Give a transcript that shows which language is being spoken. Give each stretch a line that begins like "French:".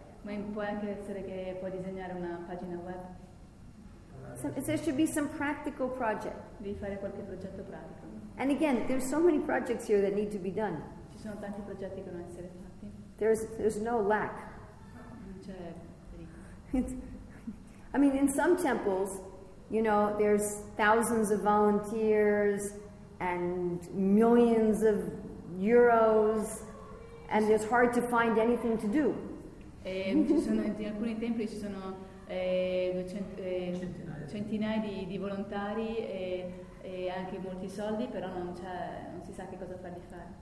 Italian: Ma può anche essere che può disegnare una pagina web.
English: There should be some practical project.
Italian: Devi fare qualche progetto pratico.
English: And again, there's so many projects here that need to be done.
Italian: Ci sono tanti progetti che devono essere fatti.
English: There's no lack.
Italian: Non c'è pericolo.
English: I mean, in some temples, you know, there's thousands of volunteers and millions of euros, and it's hard to find anything to do.
Italian: E ci sono in alcuni templi ci sono centinaia di volontari e anche molti soldi, però non si sa che cosa fargli fare.